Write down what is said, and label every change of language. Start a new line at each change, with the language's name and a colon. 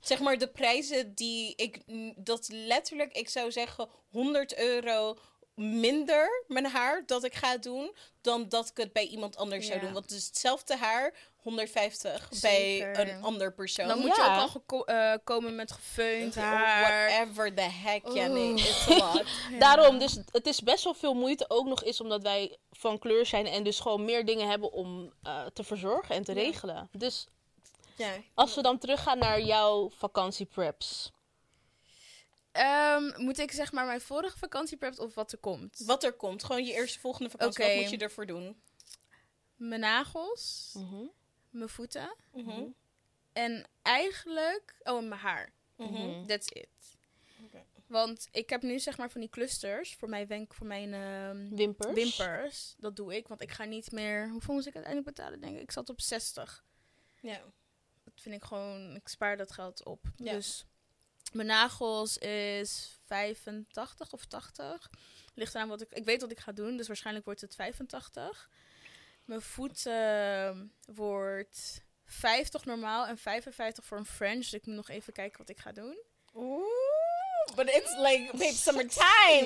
Dutch: Zeg maar de prijzen die ik... Dat letterlijk, ik zou zeggen, €100... minder mijn haar dat ik ga doen dan dat ik het bij iemand anders zou doen. Want het is hetzelfde haar, 150 Zeker. Bij een ander persoon. Dan moet je ook al komen met gefeund haar.
English: Whatever the heck, ja, nee, it's a lot.
Dutch: Daarom, dus het is best wel veel moeite ook nog eens omdat wij van kleur zijn en dus gewoon meer dingen hebben om te verzorgen en te regelen. Dus als we dan teruggaan naar jouw vakantiepreps. Moet ik, zeg maar, mijn vorige vakantie prep of wat er komt? Wat er komt. Gewoon je eerste volgende vakantie. Okay. Wat moet je ervoor doen? Mijn nagels. Mijn voeten. En eigenlijk... Oh, en mijn haar.
English: That's it.
Dutch: Okay. Want ik heb nu, zeg maar, van die clusters voor mijn wimpers. Wimpers. Dat doe ik, want ik ga niet meer... Hoeveel moest ik uiteindelijk betalen, denk ik? Ik zat op 60. Ja. Dat vind ik gewoon... Ik spaar dat geld op. Ja. Dus... Mijn nagels is 85 of 80. Ligt eraan wat ik weet wat ik ga doen, dus waarschijnlijk wordt het 85. Mijn voeten wordt 50 normaal en 55 voor een French. Dus ik moet nog even kijken wat ik ga doen. Oeh.
English: But it's like, babe, summertime.